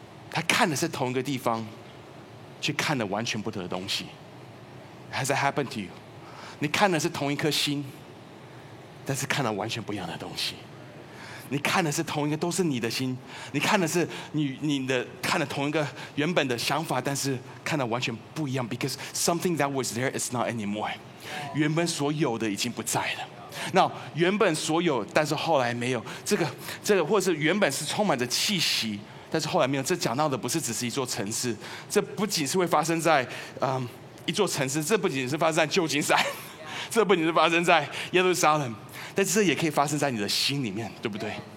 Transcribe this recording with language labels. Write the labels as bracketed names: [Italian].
[Chinese] 他看的是同一个地方，却看的完全不同的东西。 [English] Has that happened to you？ [Chinese] 你看的是同一颗心，但是看了完全不一样的东西。你看的是同一个，都是你的心，你看的是你的，看了同一个原本的想法，但是看的完全不一样。 [English] Because something that was there is not anymore。 [Chinese] 原本所有的已经不在了。那原本所有，但是后来没有，这个，或者是原本是充满着气息，但是后来没有。这讲到的不是只是一座城市，这不仅是会发生在一座城市，这不仅是发生在旧金山，这不仅是发生在耶路撒冷，但是这也可以发生在你的心里面，对不对？